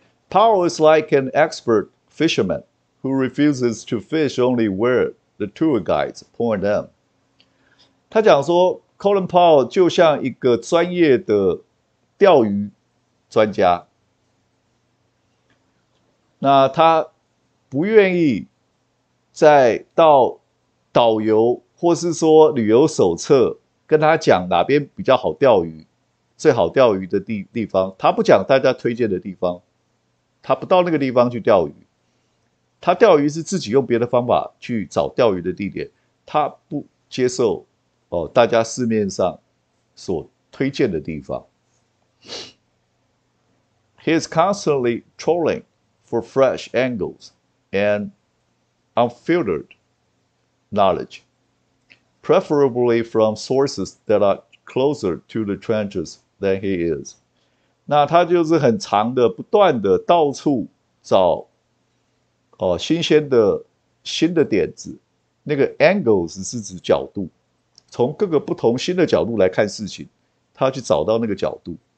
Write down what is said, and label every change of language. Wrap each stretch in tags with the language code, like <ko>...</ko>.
<zh>Powell is like an expert fisherman who refuses to fish only where the tour guides point them。他讲说 Colin Powell 就像一个专业的钓鱼专家，那他不愿意再到导游或是说旅游手册跟他讲哪边比较好钓鱼，最好钓鱼的地方，他不讲大家推荐的地方，他不到那个地方去钓鱼，他钓鱼是自己用别的方法去找钓鱼的地点，他不接受、大家市面上所推荐的地方。</zh> <en>He is constantly trolling for fresh angles and unfiltered knowledge, preferably from sources that are closer to the trenches than he is.</en> <zh>那他就是很长的不断的到处找、新鲜的新的点子，那个 angles 是指角度，从各个不同新的角度来看事情，他去找到那个角度。</zh>